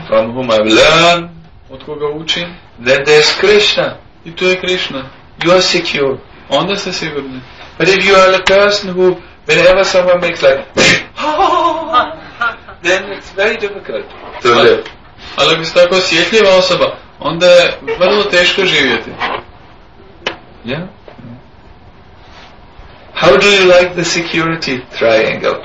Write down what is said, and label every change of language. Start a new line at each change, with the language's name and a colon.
English: from whom I've learned,
Croatian: od koga učim,
English: then there's Krishna.
Croatian: I tu je Krishna.
English: You are secure.
Croatian: Onda ste sigurni.
English: But if you are a person who, whenever someone makes like, then it's very difficult to live.
Croatian: Ali ako ste tako osjetljiva osoba, onda je vrlo teško živjeti.
English: Yeah? How do you like the security triangle?